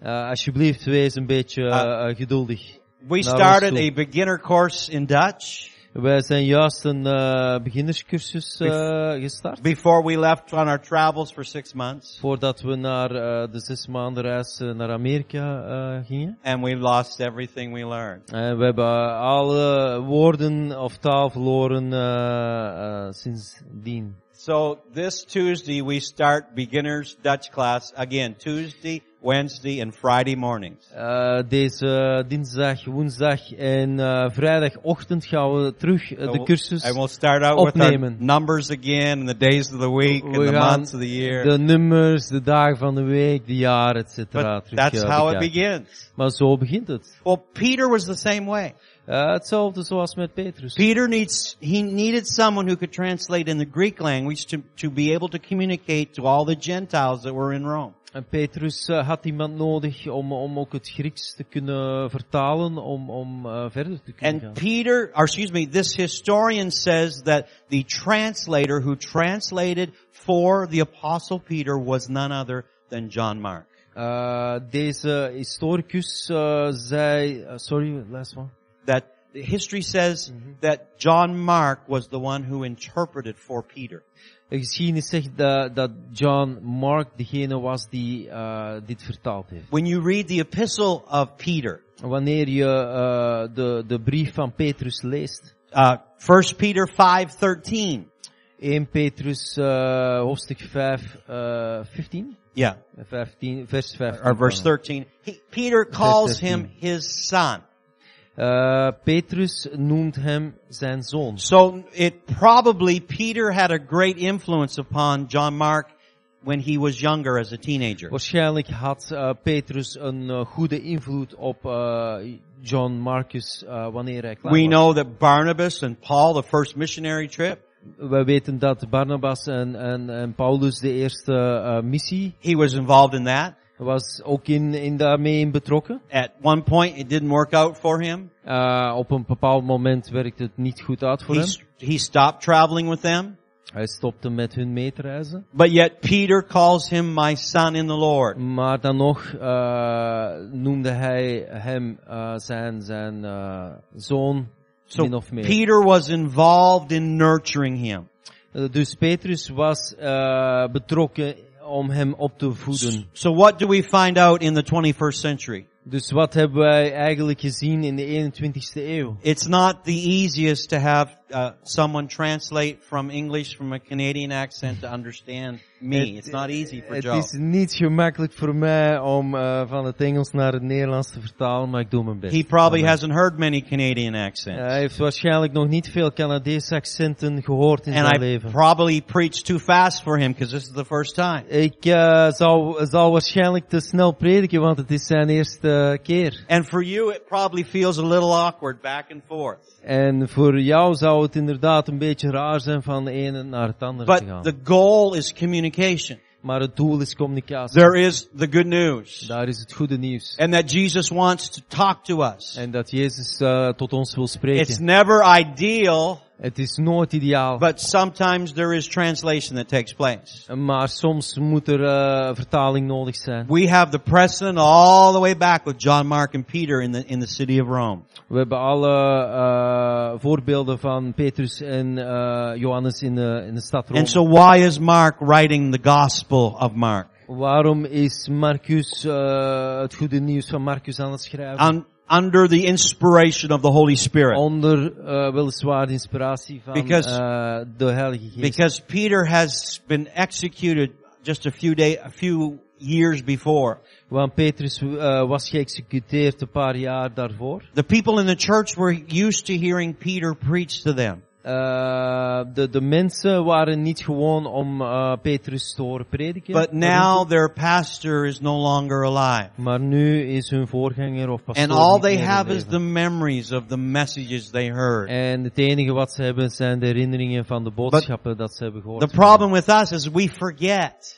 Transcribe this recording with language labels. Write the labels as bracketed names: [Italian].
[Dutch] Alsjeblieft, wees een beetje geduldig. [English] We started a beginner course in Dutch. [Dutch] We zijn juist een beginnerscursus gestart. [English] Before we left on our travels for 6 months. [Dutch] Voordat we naar de 6 maanden reis naar Amerika gingen. [English] And we lost everything we learned. [Dutch] En we hebben alle woorden of taal verloren sindsdien. [English] So this Tuesday we start beginners Dutch class again. Tuesday, Wednesday and Friday mornings. [Dutch] Deze dinsdag, woensdag en vrijdagochtend gaan we terug de cursus opnemen. [English] We'll start out with our numbers again and the days of the week and the months of the year. [Dutch] De nummers, de dagen van de week, de jaren, etc. [English] That's how it begins. [Dutch] Maar zo begint het. [English] Well, Peter was the same way. [Dutch] Hetzelfde zoals met Petrus. [English] Peter needed someone who could translate in the Greek language to be able to communicate to all the Gentiles that were in Rome. [Dutch] En Petrus had iemand nodig om ook het Grieks te kunnen vertalen, om verder te kunnen [English] and [Dutch] gaan. [English] And Peter, or excuse me, this historian says that the translator who translated for the apostle Peter was none other than John Mark. [Dutch] Deze historicus zei, sorry, [English] last one. That history says mm-hmm. that John Mark was the one who interpreted for Peter. [Dutch] De geschiedenis zegt dat John Mark degene was die dit vertaald heeft. [English] When you read the epistle of Peter, [Dutch] wanneer je de brief van Petrus leest, [English] 1 Peter 5:13, [Dutch] 1 Petrus hoofdstuk 5:15, [English] yeah, [Dutch] 15, vers 5, [English] or verse 13, Peter calls him his son. [Dutch] Petrus noemt hem zijn zoon. [English] So it probably Peter had a great influence upon John Mark when he was younger as a teenager. [Dutch] Waarschijnlijk had Petrus een goede invloed op John Marcus wanneer hij klein was. [English] We know that Barnabas and Paul, the first missionary trip. [Dutch] We weten dat Barnabas en Paulus de eerste missie. [English] He was involved in that. [Dutch] Was ook in daarmee in betrokken. [English] At one point it didn't work out for him. [Dutch] Op een bepaald moment werkte het niet goed uit voor hem. [English] He stopped traveling with them. [Dutch] Hij stopte met hun mee te reizen. [English] But yet Peter calls him my son in the Lord. [Dutch] Maar dan nog noemde hij hem zijn zoon [English] so [Dutch] min of meer. [English] Peter was involved in nurturing him. [Dutch] Dus Petrus was betrokken om hem op te voeden. [English] So what do we find out in the 21st century? [Dutch] Dus wat hebben wij eigenlijk gezien in de 21ste eeuw? [English] It's not the easiest to have someone translate from English from a Canadian accent to understand me. It's not easy for Joe. [Dutch] Het is niet gemakkelijk voor mij om van het Engels naar het Nederlands te vertalen, maar ik doe mijn best. [English] He probably hasn't heard many Canadian accents. [Dutch] Hij heeft waarschijnlijk nog niet veel Canadese accenten gehoord in [English] and [Dutch] zijn leven. [English] And I probably preach too fast for him because this is the first time. [Dutch] Ik zal waarschijnlijk te snel prediken, want het is zijn eerste keer. [English] And for you it probably feels a little awkward back and forth. [Dutch] En voor jou zou het inderdaad een beetje raar zijn van de ene naar het andere [English] but [Dutch] te gaan. [English] The goal is communication. [Dutch] Maar het doel is communicatie. [English] There is the good news. [Dutch] Daar is het goede nieuws. [English] And that Jesus wants to talk to us. [Dutch] En dat Jezus tot ons wil spreken. [English] It's never ideal. [Dutch] Het is nooit ideaal. [English] But sometimes there is translation that takes place. [Dutch] Maar soms moet er vertaling nodig zijn. [English] We have the precedent all the way back with John Mark and Peter in the city of Rome. [Dutch] We hebben alle voorbeelden van Petrus en Johannes in de stad Rome. [English] And so why is Mark writing the gospel of Mark? [Dutch] Waarom is Marcus het goede nieuws van Marcus aan het schrijven? [English] On under the inspiration of the Holy Spirit. [Dutch] Onder weliswaar de inspiratie van de Heilige Geest. [English] Because Peter has been executed just a few years before. [Dutch] Want Petrus was geëxecuteerd een paar jaar daarvoor. [English] The people in the church were used to hearing Peter preach to them. [Dutch] De mensen waren niet gewoon om Petrus te horen prediken. [English] But now their pastor is no longer alive. [Dutch] Maar nu is hun voorganger of pastoor. [English] And all they have is the memories of the messages they heard. [Dutch] En het enige wat ze hebben zijn de herinneringen van de boodschappen dat ze hebben gehoord. [English] The problem with us is we forget.